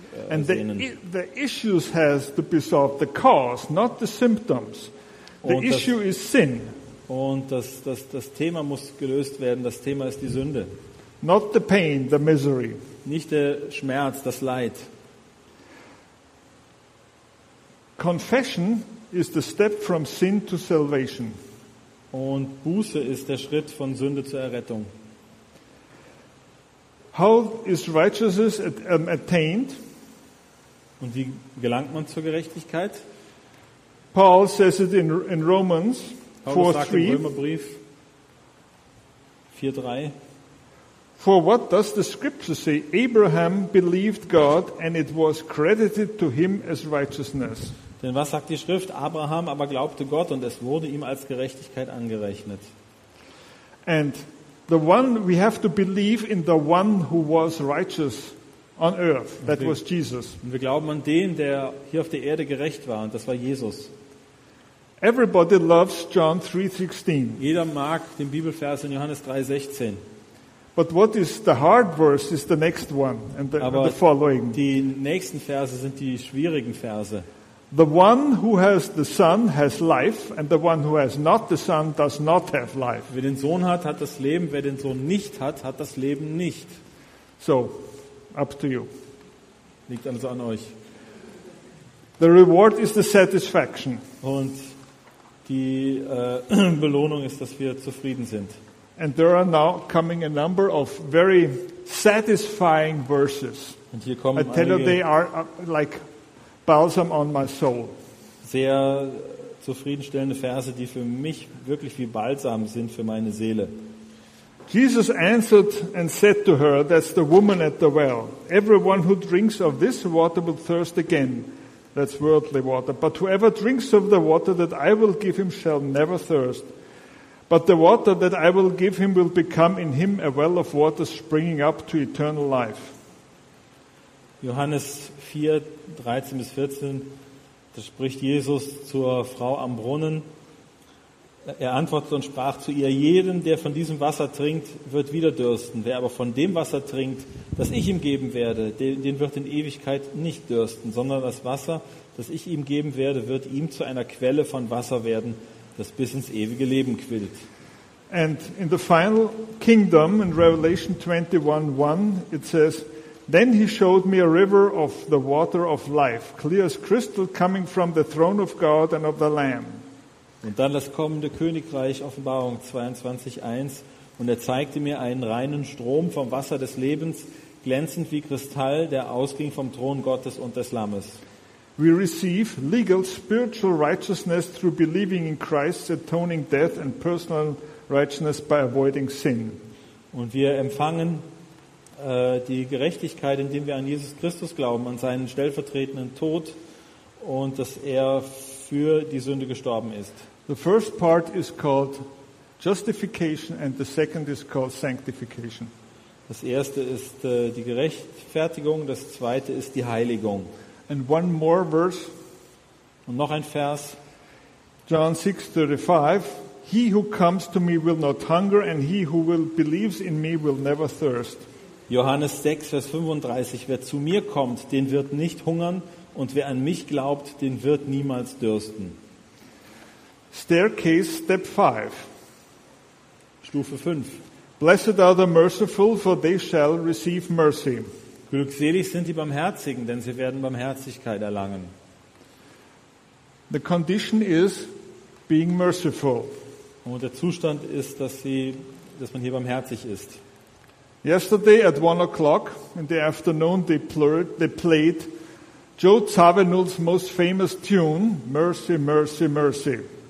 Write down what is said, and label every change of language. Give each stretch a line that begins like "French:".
English: and the issues has to be solved, the cause, not the symptoms. The
German: und
English: issue
German: das,
English: is sin.
German: Und das Thema muss gelöst werden. Das Thema ist die Sünde.
English: Not the pain, the misery.
German: Nicht der Schmerz, das Leid.
English: Confession is the step from sin to salvation.
German: Und Buße ist der Schritt von Sünde zur Errettung.
English: How is righteousness attained?
German: Und wie gelangt man zur Gerechtigkeit?
English: Paul says it in Romans 4:3.
German: Paulus sagt im Römerbrief 4:3.
English: For what does the scripture say? Abraham believed God and it was credited to him as righteousness.
German: Denn was sagt die Schrift? Abraham aber glaubte Gott und es wurde ihm als Gerechtigkeit angerechnet.
English: And the one we have to believe in the one who was righteous on earth, that was Jesus.
German: Und wir glauben an den, der hier auf der Erde gerecht war, und das war Jesus.
English: Everybody loves John 3:16.
German: Jeder mag den Bibelvers in Johannes 3:16.
English: But what is the hard verse is the next one and the following.
German: Die nächsten Verse sind die schwierigen Verse.
English: The one who has the son has life and the one who has not the son does not have life.
German: Wer den Sohn hat, hat das Leben, wer den Sohn nicht hat, hat das Leben nicht.
English: So, up to you.
German: Liegt also an euch.
English: The reward is the satisfaction.
German: Und die Belohnung ist, dass wir zufrieden sind.
English: And there are now coming a number of very satisfying verses.
German: Und hier kommen
English: I tell you, they are like balsam on my soul.
German: Sehr zufriedenstellende Verse, die für mich wirklich wie Balsam sind für meine Seele.
English: Jesus answered and said to her, that's the woman at the well, everyone who drinks of this water will thirst again. That's worldly water. But whoever drinks of the water that I will give him shall never thirst. But the water that I will give him will become in him a well of water springing up to eternal life.
German: Johannes 4, 13 bis 14, da spricht Jesus zur Frau am Brunnen. Er antwortete und sprach zu ihr, jeden, der von diesem Wasser trinkt, wird wieder dürsten. Wer aber von dem Wasser trinkt, das ich ihm geben werde, den wird in Ewigkeit nicht dürsten, sondern das Wasser, das ich ihm geben werde, wird ihm zu einer Quelle von Wasser werden, das bis ins ewige Leben quillt.
English: And in the final kingdom, in Revelation 21:1, it says, then he showed me a river of the water of life, clear as crystal, coming from the throne of God and of the Lamb.
German: Und dann das kommende Königreich, Offenbarung 22:1, und er zeigte mir einen reinen Strom vom Wasser des Lebens, glänzend wie Kristall, der ausging vom Thron Gottes und des Lammes.
English: We receive legal spiritual righteousness through believing in Christ's atoning death and personal righteousness by avoiding sin.
German: Und wir empfangen die Gerechtigkeit, indem wir an Jesus Christus glauben, an seinen stellvertretenden Tod und dass er für die Sünde gestorben ist.
English: The first part is called justification and the second is called sanctification.
German: Das erste ist die Gerechtfertigung, das zweite ist die Heiligung.
English: And one more verse.
German: Und noch ein Vers.
English: John 6:35. He who comes to me will not hunger and he who will believes in me will never thirst.
German: Johannes 6, Vers 35. Wer zu mir kommt, den wird nicht hungern und wer an mich glaubt, den wird niemals dürsten.
English: Staircase, step 5.
German: Stufe 5.
English: Blessed are the merciful, for they shall receive mercy.
German: Glückselig sind die Barmherzigen, denn sie werden Barmherzigkeit erlangen.
English: The condition is being merciful.
German: Und der Zustand ist, dass man hier barmherzig ist.
English: Yesterday at 1:00 in the afternoon they played Joe Zawinul's most famous tune, Mercy, Mercy, Mercy.